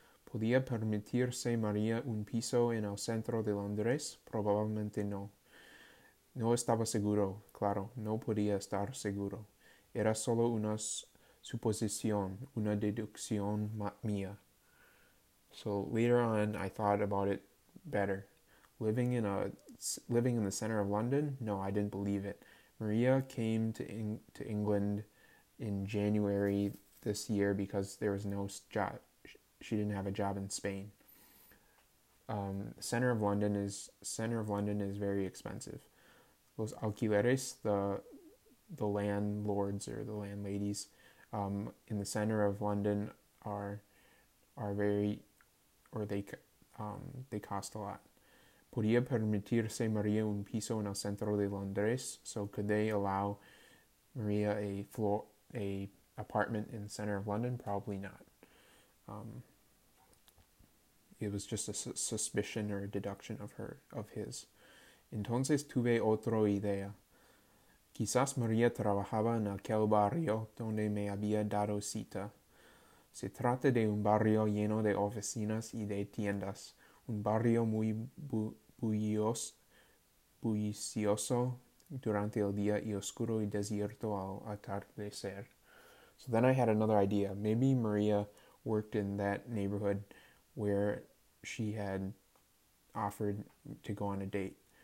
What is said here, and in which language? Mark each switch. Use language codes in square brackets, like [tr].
[es] ¿Podía permitirse María un piso en el centro de Londres? Probablemente no. No estaba seguro, claro, no podía estar seguro. Era solo una suposición, una deducción ma mía. [en] So later on, I thought about it better. Living in the center of London? No, I didn't believe it. Maria came to England in January this year because there was no job. She didn't have a job in Spain. center of London is very expensive. [es] Los alquileres, [en] the landlords or the landladies, in the center of London are very, or they cost a lot. [es] ¿Podría permitirse María un piso en el centro de Londres? [en] So could they allow María a floor, a apartment in the center of London? Probably not. It was just a suspicion or a deduction of her, of his. [es] Entonces tuve otra idea. Quizás María trabajaba en aquel barrio donde me había dado cita. Se trata de un barrio lleno de oficinas y de tiendas, un barrio muy bullicioso durante el día y oscuro y desierto al atardecer. [en] So then I had another idea. Maybe Maria worked in that neighborhood where she had offered to go on a date.